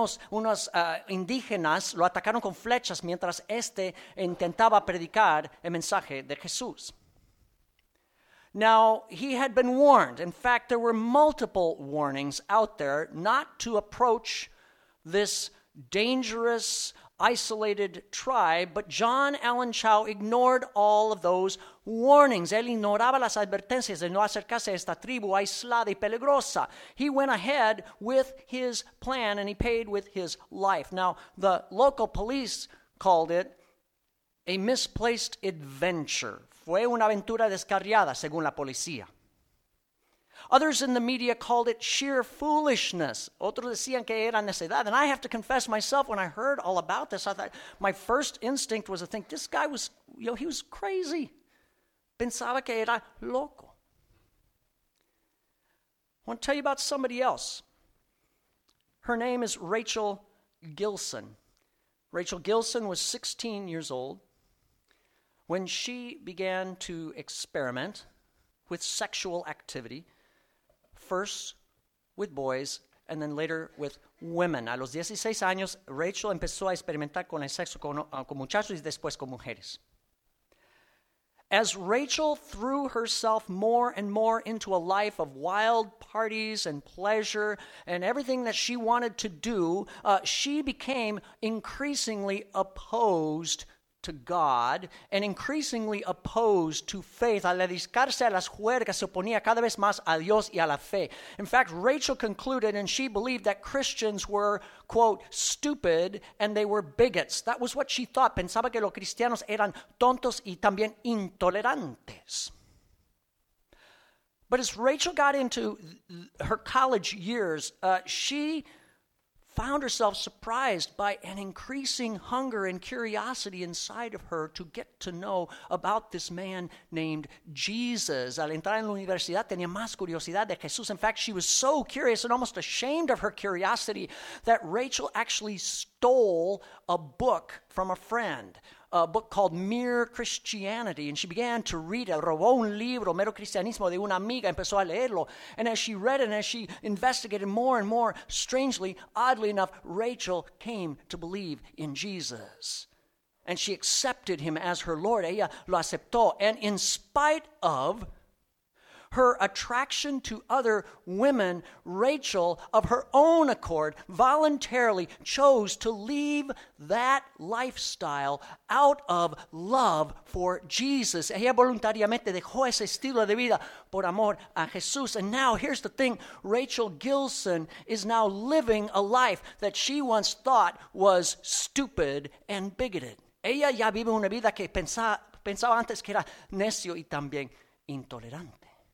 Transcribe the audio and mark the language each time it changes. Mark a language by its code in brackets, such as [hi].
[es] Unos indígenas lo atacaron con flechas mientras este intentaba predicar el mensaje de Jesús. [en] Now, he had been warned. In fact, there were multiple warnings out there not to approach this dangerous, isolated tribe, but John Allen Chow ignored all of those warnings. [es] Él ignoraba las advertencias de no acercarse a esta tribu aislada y peligrosa. [en] He went ahead with his plan and he paid with his life. Now, the local police called it a misplaced adventure. [es] Fue una aventura descarriada, según la policía. [en] Others in the media called it sheer foolishness. [es] Otros decían que era necedad. [en] And I have to confess myself, when I heard all about this, I thought my first instinct was to think, this guy was, you know, he was crazy. [es] Pensaba que era loco. [en] I want to tell you about somebody else. Her name is Rachel Gilson. Rachel Gilson was 16 years old when she began to experiment with sexual activity. First with boys, and then later with women. [es] A los 16 años, Rachel empezó a experimentar con el sexo con muchachos y después con mujeres. [en] As Rachel threw herself more and more into a life of wild parties and pleasure and everything that she wanted to do, she became increasingly opposed to God, and increasingly opposed to faith. [es] Al dedicarse a las juergas, se oponía cada vez más a Dios y a la fe. [en] In fact, Rachel concluded, and she believed that Christians were, quote, stupid, and they were bigots. That was what she thought. [es] Pensaba que los cristianos eran tontos y también intolerantes. [en] But as Rachel got into her college years, she found herself surprised by an increasing hunger and curiosity inside of her to get to know about this man named Jesus. [es] Al entrar en la universidad tenía más curiosidad de Jesús. [en] In fact, she was so curious and almost ashamed of her curiosity that Rachel actually stole a book from a friend, a book called Mere Christianity, and she began to read it. [es] Robó un libro, Mero Cristianismo, de una amiga, empezó a leerlo. [en] And as she read it, and as she investigated more and more, strangely, oddly enough, Rachel came to believe in Jesus. And she accepted him as her Lord. [es] Ella lo aceptó. [en] And in spite of her attraction to other women, Rachel, of her own accord, voluntarily chose to leave that lifestyle out of love for Jesus. [es] Ella voluntariamente dejó ese estilo de vida por amor a Jesús. [en] And now, here's the thing. Rachel Gilson is now living a life that she once thought was stupid and bigoted. [es] Ella ya vive una vida que pensaba antes que era necio y también intolerante.